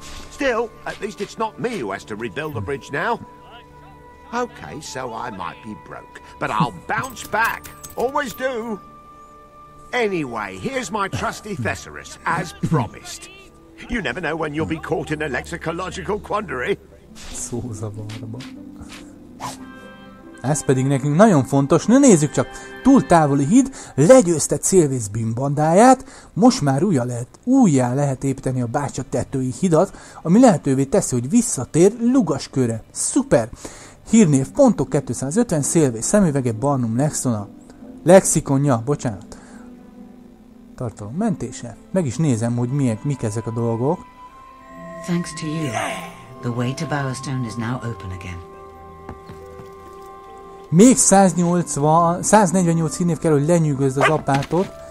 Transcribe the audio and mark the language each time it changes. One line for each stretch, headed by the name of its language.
English: Still, at least it's not me who has to rebuild the bridge now. Okay, so I might be broke, but I'll bounce back. Always do! Anyway, here's my trusty thesaurus, as promised. You never know when you'll be caught in a lexicological quandary.
Hungarian: Szózavarba. Ez pedig nekünk nagyon fontos. Na nézzük csak! Túl távoli híd, legyőzte Célvész bűnbandáját, most már újjá lehet építeni a bácsa tetői hidat, ami lehetővé teszi, hogy visszatér Lugaskőre. Szuper! Hírnév pontok 250, Célvész szemüvege Barnum Lexona. Lexikonja, bocsánat. Tartalom mentése. Meg is nézem, hogy mik ezek a dolgok.
English: Thanks to you, the way to Bowerstone is now open again.
Hungarian: Még 148 hírnév kell, hogy lenyűgözd az apátot.